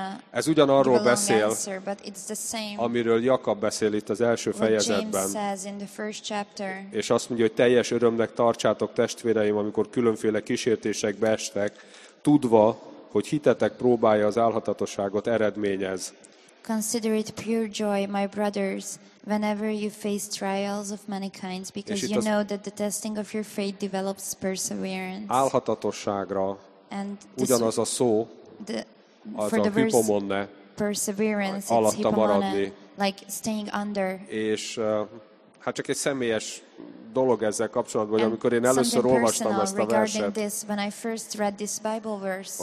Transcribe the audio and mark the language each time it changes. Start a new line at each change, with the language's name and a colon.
Hungarian: ez ugyanarról beszél,
English: answer, but it's the same,
Hungarian: amiről Jakab beszél itt az első fejezetben.
English: Chapter,
Hungarian: és azt mondja, hogy teljes örömnek tartsátok testvéreim, amikor különféle kísértésekbe estek, tudva, hogy hitetek próbálja az álhatatosságot eredményez.
English: Consider it pure joy, my brothers, whenever you face trials of many kinds, because you know that the testing of your faith develops perseverance.
Hungarian: Álhatatosságra ugyanaz a szó, az a hipomonne,
English: perseverance,
Hungarian: alatta maradni.
English: Like staying under.
Hungarian: És hát csak egy személyes dolog ezzel kapcsolatban, hogy amikor én először olvastam ezt a verset,
English: this, when I first read this Bible verse,